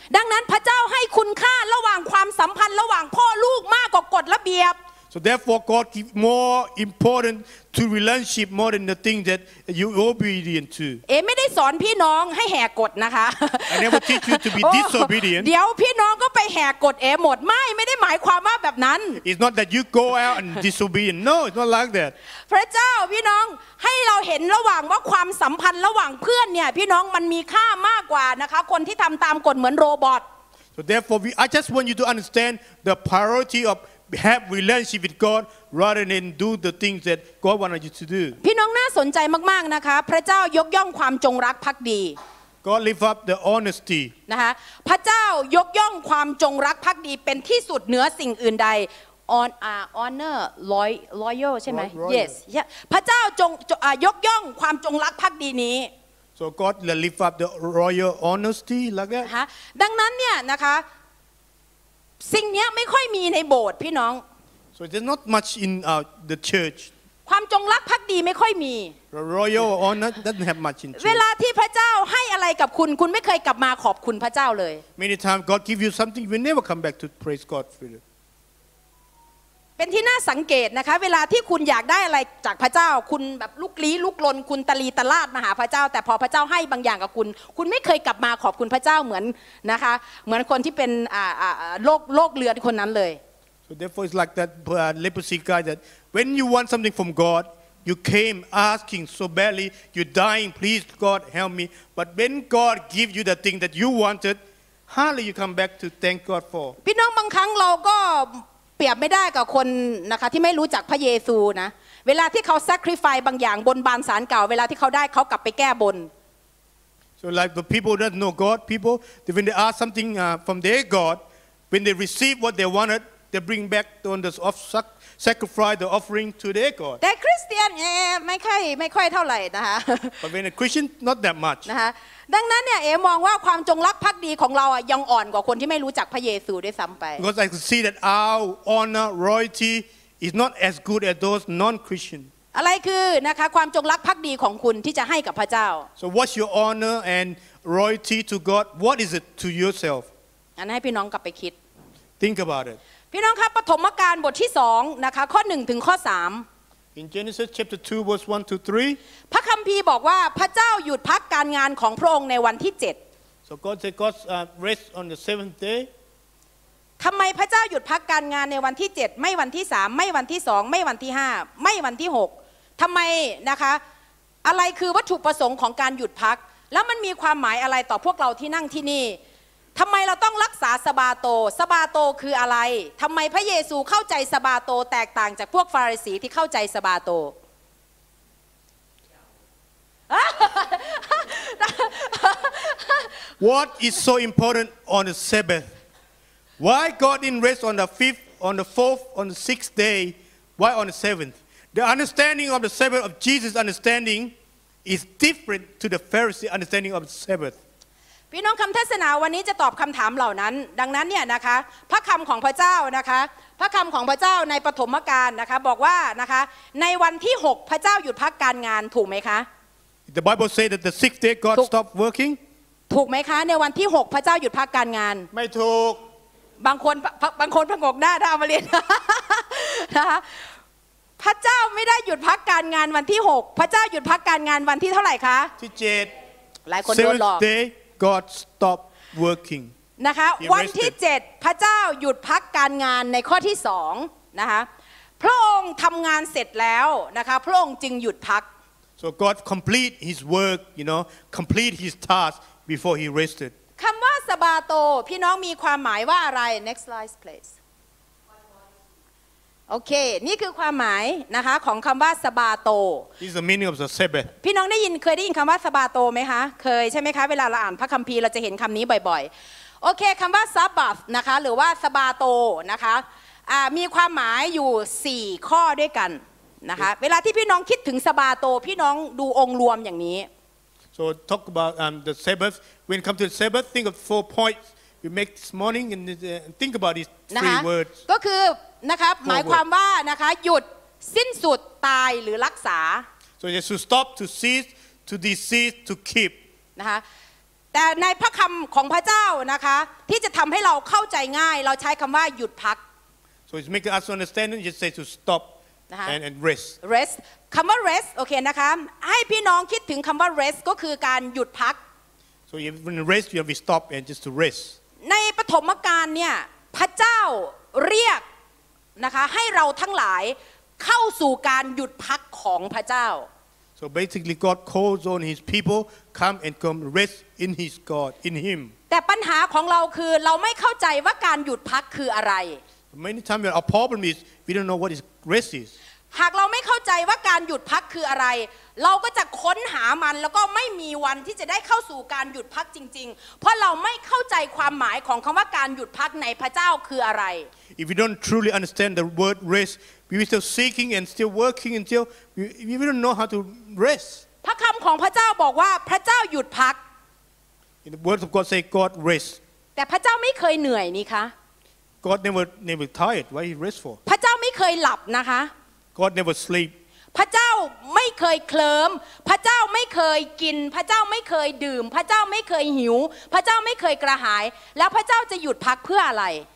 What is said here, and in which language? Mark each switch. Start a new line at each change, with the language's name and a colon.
Thai: ดังนั้นพระเจ้าให้คุณค่าระหว่างความสัมพันธ์ระหว่างพ่อลูกมากกว่ากฎระเบียบ
English: So therefore, God give more important to relationship more than the thing that you obedient to.
Thai: ไม่ได้สอนพี่น้องให้แหกกฎนะคะ
English: I never teach you to be disobedient.
Thai: เดี๋ยวพี่น้องก็ไปแหกกฎหมดไม่ได้หมายความว่าแบบนั้น
English: It's not that you go out and disobedient. No, it's not like that.
Thai: พระเจ้าพี่น้องให้เราเห็นระหว่างว่าความสัมพันธ์ระหว่างเพื่อนเนี่ยพี่น้องมันมีค่ามากกว่านะคะคนที่ทำตามกฎเหมือนโรบอท
English: So therefore, I just want you to understand the priority ofHave relationship with God rather than do the things that God wanted you to do.
Thai: พี่น้องน่าสนใจมากๆนะคะพระเจ้ายกย่องความจงรักภักดี
English: God lift up the honesty.
Thai: นะคะพระเจ้ายกย่องความจงรักภักดีเป็นที่สุดเหนือสิ่งอื่นใด
English: honor loyal
Thai: ใช่ไหม
English: Yes.
Thai: พระเจ้ายกย่องความจงรักภักดีนี้
English: So God lift up the royal honesty like that.
Thai: ฮะดังนั้นเนี่ยนะคะสิ่งนี้ไม่ค่อยมีในโบสถ์พี่น้อง
English: so there's not much in the church
Thai: ความจงรักภักดีไม่ค่อยมี
English: royal honor doesn't have much in
Thai: เวลาที่พระเจ้าให้อะไรกับคุณไม่เคยกลับมาขอบคุณพระเจ้าเลย
English: many times God give you something you never come back to praise God for
Thai: เป็นที่น่าสังเกตนะคะเวลาที่คุณอยากได้อะไรจากพระเจ้าคุณแบบลุกลี้ลุกลนคุณตะลีตะลาดมาหาพระเจ้าแต่พอพระเจ้าให้บางอย่างกับคุณไม่เคยกลับมาขอบคุณพระเจ้าเหมือนนะคะเหมือนคนที่เป็นโรคเลือดคนนั้นเลย
English: so therefore it's like that leprosy guy that when you want something from God you came asking so badly you're dying please God help me but when God give you the thing that you wanted hardly you come back to thank God for
Thai: พี่น้องบางครั้งเราก็เปรียบไม่ได้กับคนนะคะที่ไม่รู้จักพระเยซูนะเวลาที่เขาแซคริฟายบางอย่างบนบานศาลเก่าเวลาที่เขาได้เขากลับไปแก้บน
English: So like the people that know God people when they ask something from their God when they receive what they wanted they bring back the sacrifice the offering to their God
Thai: แต่คริสเตียนไม่ค่อยเท่าไหร่นะคะ
English: But when a Christian not that much
Thai: นะคะดังนั้นเนี่ยเอ๋มองว่าความจงรักภักดีของเราอ่ะยังอ่อนกว่าคนที่ไม่รู้จักพระเยซูด้วยซ้ำไป
English: Because I see that our honor, royalty is not as good as those non-Christian.
Thai: อะไรคือนะคะความจงรักภักดีของคุณที่จะให้กับพระเจ้า
English: So what's your honor and royalty to God? What is it to yourself?
Thai: อันให้พี่น้องกลับไปคิด
English: Think about it.
Thai: พี่น้องครับปฐมกาลบทที่2นะคะข้อ1ถึงข้อ3
English: In Genesis chapter 2 verse 1 to 3
Thai: พระคัมภีร์บอกว่าพระเจ้าหยุดพักการงานของพระองค์ในวันที่7
English: So God said God rest on the seventh day
Thai: ทำไมพระเจ้าหยุดพักการงานในวันที่7ไม่วันที่3ไม่วันที่2ไม่วันที่5ไม่วันที่6ทำไมนะคะอะไรคือวัตถุประสงค์ของการหยุดพักแล้วมันมีความหมายอะไรต่อพวกเราที่นั่งที่นี่ทำไมเราต้องรักษาซาบาโตซาบาโตคืออะไรทำไมพระเยซูเข้าใจซาบาโตแตกต่างจากพวกฟาริสีที่เข้าใจซาบาโต
English: What is so important on the Sabbath Why God didn't rest on the 5th on the 4th on the 6th day why on the 7thThe understanding of the Sabbath of Jesus' understanding is different to the Pharisee understanding of the Sabbath.
Thai: พี่น้องคำเทศนาวันนี้จะตอบคำถามเหล่านั้นดังนั้นเนี่ยนะคะพระคำของพระเจ้านะคะพระคำของพระเจ้าในปฐมกาลนะคะบอกว่านะคะในวันที่6พระเจ้าหยุดพักการงานถูกไหมคะ
English: The Bible says that the sixth day God stopped working.
Thai: ถูกไหมคะในวันที่6พระเจ้าหยุดพักการงาน ไม่ถูก บางคนพงกหน้าถ้าเอามาเรียนนะพระเจ้าไม่ได้หยุดพักการงานวันที่6พระเจ้าหยุดพักการงานวันที่เท่าไหร่คะ ที่7 หลายคนโดนหลอก
English: Seventh day God stop working
Thai: นะคะวันที่7พระเจ้าหยุดพักการงานในข้อที่2นะคะพระองค์ทำงานเสร็จแล้วนะคะพระองค์จึงหยุดพัก
English: So God complete his work you know complete his task before he rested
Thai: คำว่าสบาโตพี่น้องมีความหมายว่าอะไร
English: Next slide please
Thai: โอเคนี่คือความหมายนะคะของคำว่าสบาโต
English: This is the meaning of the Sabbath
Thai: พี่น้องได้ยินเคยได้ยินคำว่าสบาโตไหมคะเคยใช่ไหมคะเวลาเราอ่านพระคัมภีร์เราจะเห็นคำนี้บ่อยๆโอเคคำว่าซาบัสนะคะหรือว่าสบาโตนะคะมีความหมายอยู่4ข้อด้วยกันนะคะ
English: yes.
Thai: เวลาที่พี่น้องคิดถึงสบาโตพี่น้องดูองค์รวมอย่างนี้
English: So talk about the Sabbath when come to the Sabbath think of 4 pointsWe make this morning and think about these three words.
Thai: ก็คือนะครับหมายความว่านะคะหยุดสิ้นสุดตายหรือรักษา
English: So you should stop to cease to disease to keep.
Thai: นะคะแต่ในพระคำของพระเจ้านะคะที่จะทำให้เราเข้าใจง่ายเราใช้คำว่าหยุดพัก
English: So it's making us understand and just say to stop and rest. Rest.
Thai: คำว่า rest โอเคนะคะให้พี่น้องคิดถึงคำว่า rest ก็คือการหยุดพัก
English: So when you rest, you have to stop and just to rest.
Thai: ในปฐมกาลเนี่ยพระเจ้าเรียกนะคะให้เราทั้งหลายเข้าสู่การหยุดพักของพระเจ้า
English: So basically, God calls on His people come and come rest in His God in Him.
Thai: แต่ปัญหาของเราคือเราไม่เข้าใจว่าการหยุดพักคืออะไร
English: Many times our problem is we don't know what is rest is.
Thai: หากเราไม่เข้าใจว่าการหยุดพักคืออะไรเราก็จะค้นหามันแล้วก็ไม่มีวันที่จะได้เข้าสู่การหยุดพักจริงๆเพราะเราไม่เข้าใจความหมายของคำว่าการหยุดพักในพระเจ้าคืออะไร
English: If we don't truly understand the word rest we will still seeking and still working until we don't know how to rest
Thai: พระคำของพระเจ้าบอกว่าพระเจ้าหยุดพัก
English: In the words of God say God rest
Thai: แต่พระเจ้าไม่เคยเหนื่อยนี่คะ
English: God never tired why he rest for
Thai: พระเจ้าไม่เคยหลับนะคะ
English: God never sleep.
Thai: พระเจ้าไม่เคยเคลิ้มพระเจ้าไม่เคยกินพระเจ้าไม่เคยดื่มพระเจ้าไม่เคยหิวพระเจ้าไม่เคยกระหายแล้วพระเจ้าจะหยุดพักเพื่ออะไร